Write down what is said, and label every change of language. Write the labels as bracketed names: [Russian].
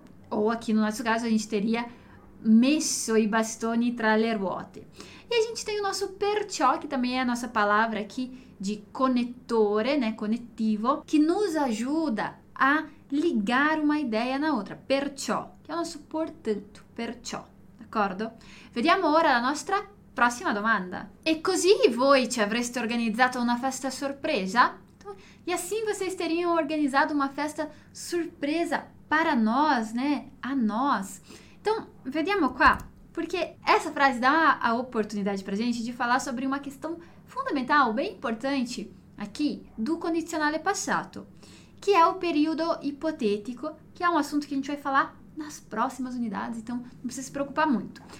[Portuguese] Ou aqui no nosso caso, a gente teria messo i bastoni tra le ruote. E a gente tem o nosso perciò, que também é a nossa palavra aqui de conettore, né? Conettivo, que nos ajuda a ligar uma ideia na outra. Perciò, que é o nosso portanto. [Italian] Perciò, d'accordo? Vediamo ora la nostra prossima domanda. E così voi ci avreste organizzato una festa sorpresa? [Portuguese] E assim vocês teriam organizado uma festa surpresa para nós, né? A nós. Então, vediamo qua, porque essa frase dá a oportunidade para a gente de falar sobre uma questão fundamental, bem importante aqui, do condicionale passato, que é o período ipotético, que é um assunto que a gente vai falar nas próximas unidades, então não precisa se preocupar muito.